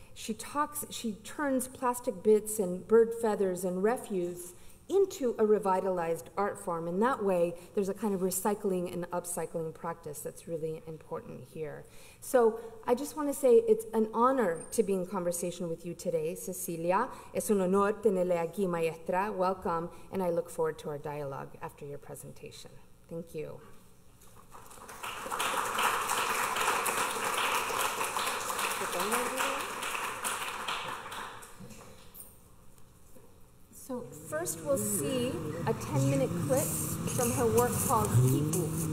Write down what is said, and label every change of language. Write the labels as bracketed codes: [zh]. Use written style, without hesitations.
[en] She turns plastic bits and bird feathers and refuse into a revitalized art form. In that way, there's a kind of recycling and upcycling practice that's really important here. So I just want to say it's an honor to be in conversation with you today, Cecilia. [es] Es un honor tenerle aquí, maestra. [en] Welcome, and I look forward to our dialogue after your presentation. Thank you. So first we'll see a 10-minute clip from her work called Kiku.